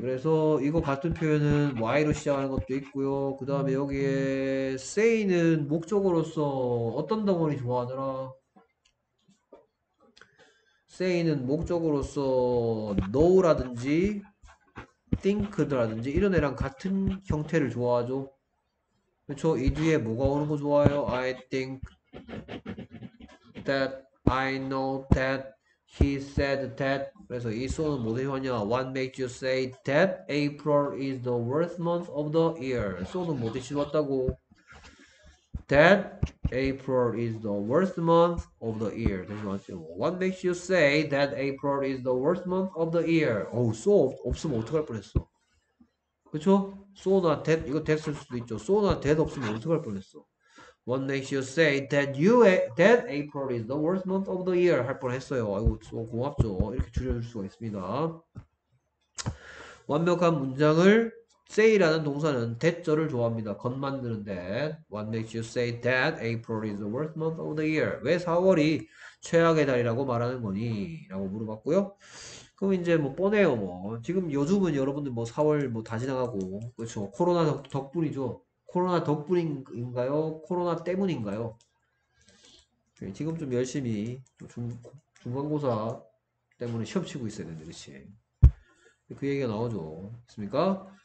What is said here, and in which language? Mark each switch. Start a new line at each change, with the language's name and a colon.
Korean: 그래서 이거 같은 표현은 why로 시작하는 것도 있고요. 그 다음에 여기에 say는 목적으로서 어떤 덩어리 좋아하더라? say는 목적으로서 know라든지 think라든지 이런 애랑 같은 형태를 좋아하죠. 그렇죠? 이 뒤에 뭐가 오는 거 좋아요?
English: I think that I know that he said that.
Korean: 그래서 이 소는 뭐 대신하냐?
English: What makes you say that April is the worst month of the year?
Korean: 소는 뭐 대신 왔다고?
English: That April is the worst month of the year.
Korean: 대신 왔죠.
English: What makes you say that April is the worst month of the year?
Korean: 어우, 소 없으면 어떡할 뻔했어. 그쵸? 소나 that, 이거 that 쓸 수도 있죠. 소나 that 없으면 어떡할 뻔했어.
English: What makes you say that you that April is the worst month of the year?
Korean: 할 뻔했어요. 아이고, 고맙죠. 이렇게 줄여줄 수가 있습니다. 완벽한 문장을 say라는 동사는 that절을 좋아합니다. 겉만드는 that.
English: What makes you say that April is the worst month of the year?
Korean: 왜 4월이 최악의 달이라고 말하는 거니? 라고 물어봤고요. 그럼 이제 뭐 뻔해요. 뭐 지금 요즘은 여러분들 뭐 4월 뭐다 지나가고 그렇죠. 코로나 덕분이죠. 코로나 덕분인가요? 코로나 때문인가요? 네, 지금 좀 열심히 중간고사 때문에 시험 치고 있어야 되는데, 그렇지? 그 얘기가 나오죠. 있습니까?